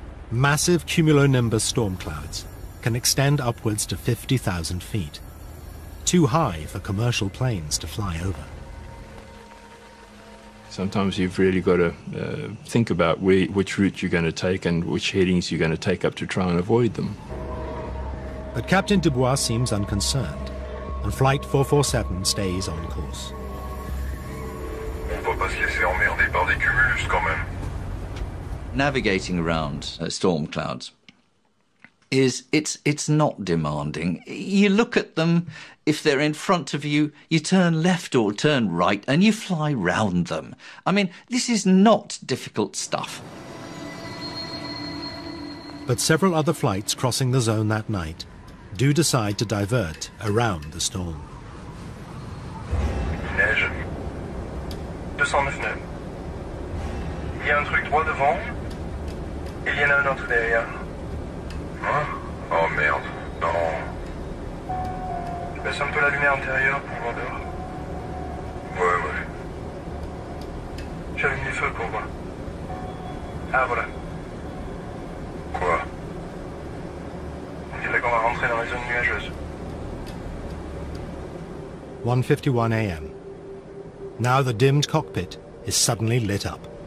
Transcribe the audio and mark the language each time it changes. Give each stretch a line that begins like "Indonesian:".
English: Massive cumulonimbus storm clouds can extend upwards to 50,000 feet, too high for commercial planes to fly over. Sometimes you've really got to think about which route you're going to take and which headings you're going to take up to try and avoid them. But Captain Dubois seems unconcerned, and Flight 447 stays on course.
French: On ne peut pas se laisser emmerder par des cumulus quand même.
English: Navigating around storm clouds it's not demanding. You look at them, if they're in front of you, you turn left or turn right and you fly round them. I mean, this is not difficult stuff. But several other flights crossing the zone that night do decide to divert around the storm.
French: Neige. 209 nœuds. Il y a un truc droit devant. Il y en a un autre derrière. Hein? Oh merde, non. Baisse un peu la lumière intérieure pour voir dehors. Ouais, ouais. J'allume les feux pour voir. Ah, voilà. Quoi? On dirait qu'on va rentrer dans les zones nuageuses.
English: 1:51 a.m. Now the dimmed cockpit is suddenly lit up.